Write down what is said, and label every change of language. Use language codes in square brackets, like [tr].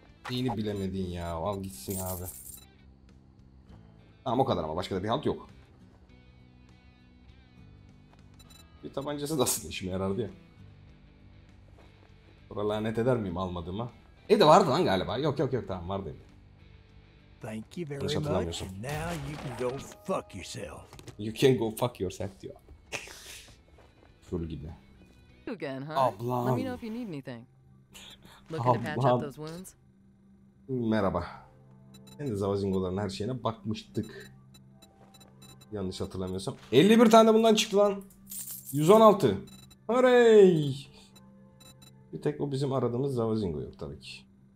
[tr] Neyini bilemedin ya? Al gitsin abi. Tamam o kadar ama başka da bir halt yok. Bir tabancası da aslında işime yarardı ya. Buraya lanet eder miyim almadığıma? Evde vardı lan galiba. Yok yok yok tamam vardı. [en] Thank you very much. Now you can go fuck yourself. You can go fuck yourself [tr] diyor. Full gibi. [en] Again, huh? [tr] Ablam. [en] Let me know if you need anything. Looking to patch up those wounds. [tr] Merhaba. Ben de zavazingoların her şeyine bakmıştık. Yanlış hatırlamıyorsam. 51 tane bundan çıktı lan. 116. Hooray! Bir tek o bizim aradığımız zavazingo yok tabii ki.